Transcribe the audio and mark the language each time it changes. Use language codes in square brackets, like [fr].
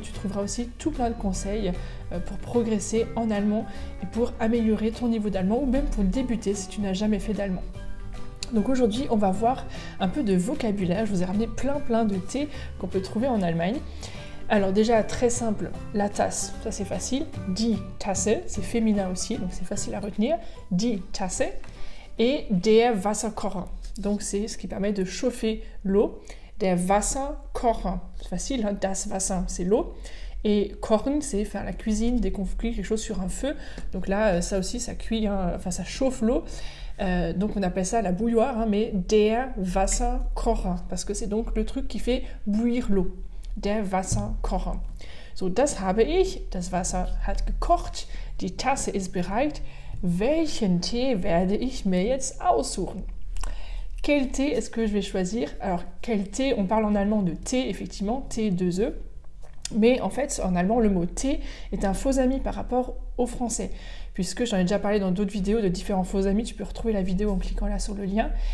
[fr] Tu trouveras aussi tout plein de conseils pour progresser en allemand et pour améliorer ton niveau d'allemand ou même pour débuter si tu n'as jamais fait d'allemand. Donc aujourd'hui, on va voir un peu de vocabulaire. Je vous ai ramené plein de thés qu'on peut trouver en Allemagne. Alors déjà, très simple, la tasse, ça c'est facile. Die Tasse, c'est féminin aussi, donc c'est facile à retenir. [de] Die Tasse et der Wasserkocher. [fr] Donc c'est ce qui permet de chauffer l'eau. Der Wasserkocher, c'est facile, hein? Das Wasser, c'est l'eau. Et Kochen, c'est faire la cuisine dès qu'on cuit quelque chose sur un feu. Donc là, ça aussi, ça cuit, hein? Enfin ça chauffe l'eau. Donc on appelle ça la bouilloire, hein, mais der Wasserkocher, parce que c'est donc le truc qui fait bouillir l'eau. [de] Der Wasserkocher. So, das habe ich, das Wasser hat gekocht, die Tasse ist bereit. Welchen Tee werde ich mir jetzt aussuchen? [fr] Quel thé est-ce que je vais choisir? Alors, quel thé? On parle en allemand de thé, effectivement, thé, deux œufs. Mais en fait, en allemand, le mot thé est un faux ami par rapport au français. Puisque j'en ai déjà parlé dans d'autres vidéos de différents faux amis, tu peux retrouver la vidéo en cliquant là sur le lien.